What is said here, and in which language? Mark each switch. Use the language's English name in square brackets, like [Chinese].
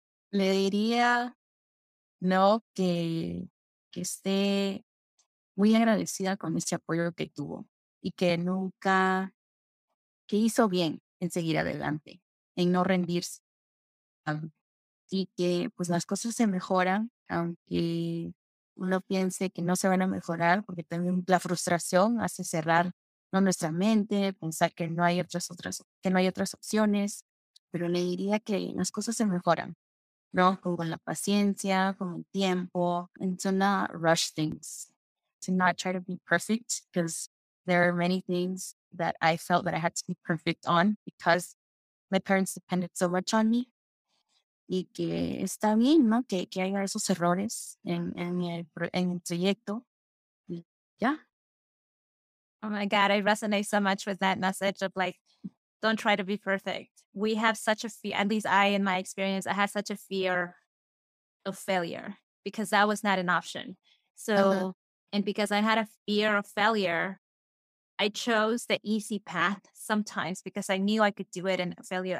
[Spanish] Le diría, no, que esté muy agradecida con ese apoyo que tuvo y que nunca, que hizo bien en seguir adelante, en no rendirse. Y que, pues, las cosas se mejoran, aunque uno piense que no se van a mejorar, porque también la frustración hace cerrar, ¿no?, nuestra mente, pensar que no hay otras opciones. Pero le diría que las cosas se mejoran, ¿no?, con la paciencia, con el tiempo, [English] and to not rush things, to not try to be perfect, because there are many things that I felt that I had to be perfect on because my parents depended so much on me. [Spanish] Y que está bien, ¿no?, que haya esos errores en el proyecto. Ya. [English] Oh my God, I resonate so much with that message of like, don't try to be perfect. We have such a fear, at least I, in my experience, I had such a fear of failure because that was not an option. So, And because I had a fear of failure, I chose the easy path sometimes because I knew I could do it and failure.